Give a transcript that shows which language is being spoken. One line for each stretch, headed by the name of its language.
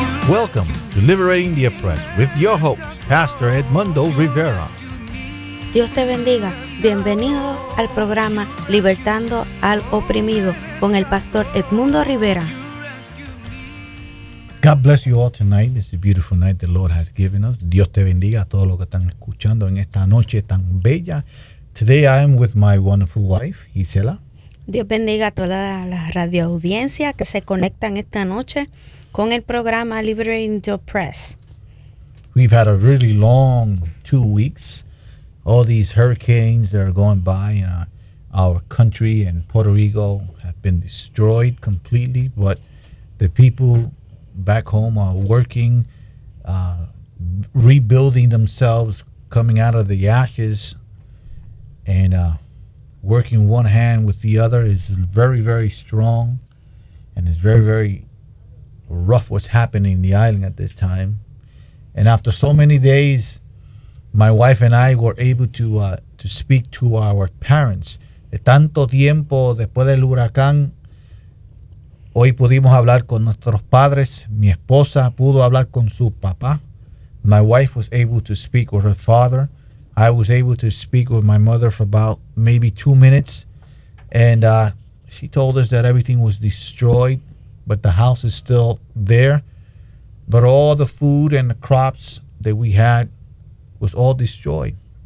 English: Welcome to Liberating the Oppressed with your host, Pastor Edmundo Rivera.
Spanish: Dios te bendiga. Bienvenidos al programa Libertando al Oprimido con el Pastor Edmundo Rivera.
English: God bless you all tonight. It's a beautiful night the Lord has given us.
Spanish: Dios te bendiga a todos los que están escuchando en esta noche tan bella.
English: Today I am with my wonderful wife, Gisela.
Spanish: Dios bendiga a toda la radio audiencia que se conectan esta noche con el programa Liberating the Oppressed.
English: We've had a really long 2 weeks. All these hurricanes that are going by in our country and Puerto Rico have been destroyed completely, but the people back home are working, rebuilding themselves, coming out of the ashes, and working one hand with the other is very, very strong, and it's very, very rough what's happening in the island at this time. And after so many days, my wife and I were able to speak to our parents.
Spanish: De tanto tiempo después del huracán, hoy pudimos hablar con nuestros padres. Mi esposa pudo hablar con su papá.
English: My wife was able to speak with her father. I was able to speak with my mother for about maybe 2 minutes. And she told us that everything was destroyed, but the house is still there. But all the food and the crops that we had was all destroyed.